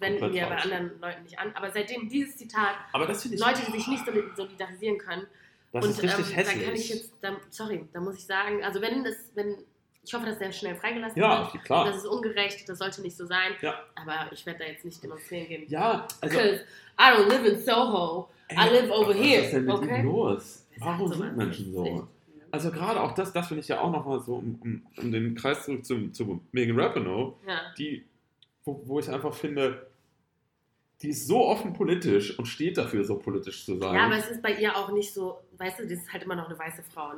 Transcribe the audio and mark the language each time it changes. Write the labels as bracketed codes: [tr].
[de] wenden wir bei anderen Leuten nicht an. Aber seitdem dieses Zitat, aber das finde ich Leute, die sich nicht solidarisieren können, das und ist richtig hässlich. Da kann ich jetzt, da muss ich sagen, also ich hoffe, dass der schnell freigelassen wird. Ja, klar. Das ist ungerecht, das sollte nicht so sein. Ja. Aber ich werde da jetzt nicht demonstrieren gehen. Ja, also. [en] Because I don't live in Soho, I live over here. [de] Was ist denn mit ihm los? Warum sind Menschen so? Also, gerade auch das finde ich ja auch nochmal so, um den Kreis zurück zu Megan Rapinoe, wo ich einfach finde, die ist so offen politisch und steht dafür, so politisch zu sein. Ja, aber es ist bei ihr auch nicht so, weißt du, die ist halt immer noch eine weiße Frau, ne?